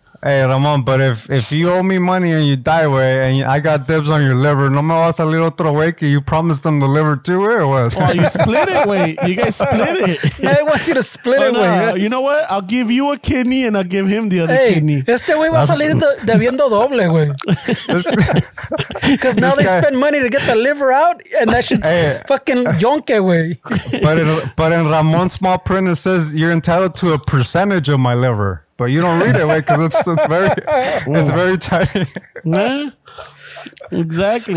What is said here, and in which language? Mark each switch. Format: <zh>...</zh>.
<en>Hey, Ramon, but if you owe me money and you die away and I got dibs on your liver,</en> <es>no me vas a salir otro way que</es> <en>you promised them the liver too, or what? Oh, you split it, way. You guys split it. I want you to split it, way. Yes. You know what? I'll give you a kidney and I'll give him the other kidney.</en> <es>Este way va a salir debiendo doble, way.</es> <en>Because now they spend money to get the liver out and that shit's fucking yonke, way. But in Ramon's small print, it says you're entitled to a percentage of my liver. But you don't read it, right? Because it's very tiny. Nah, exactly.</en>